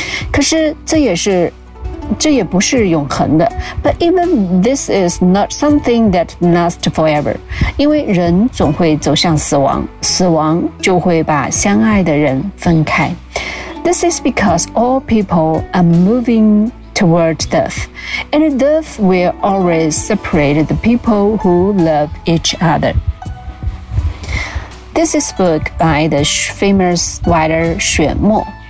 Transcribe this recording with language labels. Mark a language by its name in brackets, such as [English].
[Chinese] 可是这也不是永恒的。 [English] But even this is not something that lasts forever. [Chinese] 因为人总会走向死亡，死亡就会把相爱的人分开。 [English] This is because all people are moving toward death, and death will always separate the people who love each other. This is a book by the famous writer 雪墨.